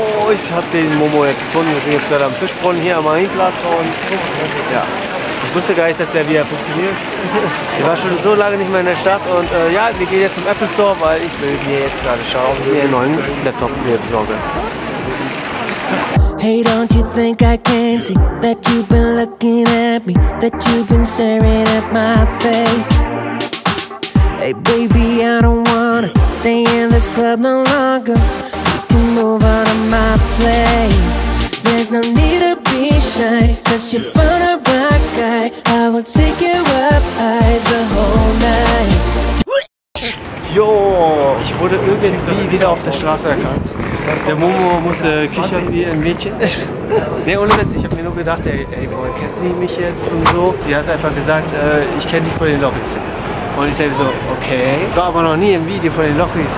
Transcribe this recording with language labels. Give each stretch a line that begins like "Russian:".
German: Ich habe den Momo jetzt gefunden, wir sind jetzt gerade am Fischbrunnen hier am Marienplatz und ja, ich wusste gar nicht, dass der wieder funktioniert. Ich war schon so lange nicht mehr in der Stadt und ja, wir gehen jetzt zum Apple Store, weil ich will mir jetzt gerade schauen, ob ich mir einen neuen Laptop hier besorge.
English: Hey, don't you think I can see that you've been looking at me, that you've been staring at my face. Hey baby, I don't wanna stay in this club no longer. Move out of my place. There's no need to be shy, 'cause you're fun of my guy. I will take you up high the whole night.
German: Yo, ich wurde irgendwie wieder auf der Straße erkannt. Der Momo musste kichern wie ein Mädchen. Ne, ohne Witz, ich hab mir nur gedacht, ey, boah, kennt die mich jetzt und so. Sie hat einfach gesagt, ich kenne dich von den Lobbys. Und ich denke so, okay. War aber noch nie im Video von den Lobbys.